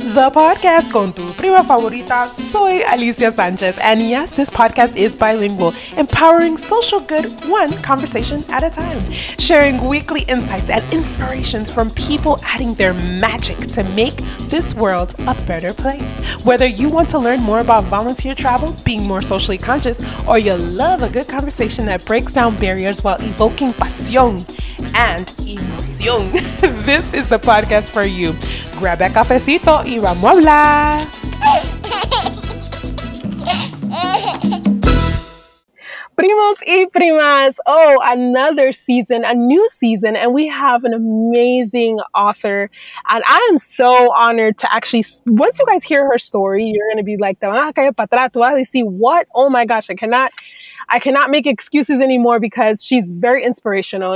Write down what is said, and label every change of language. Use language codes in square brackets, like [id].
[en] The podcast [es] con tu prima favorita, soy [en] Alicia Sanchez, and yes, this podcast is bilingual, empowering social good one conversation at a time, sharing weekly insights and inspirations from people adding their magic to make this world a better place. Whether you want to learn more about volunteer travel, being more socially conscious, or you love a good conversation that breaks down barriers while evoking pasión and emoción, this is the podcast for you. Grab a [es] cafecito y vamos a hablar. Primos y primas, [en] oh, another season, a new season, and we have an amazing author, and I am so honored to actually, once you guys hear her story, you're going to be like, what, oh my gosh, I cannot make excuses anymore, because she's very inspirational.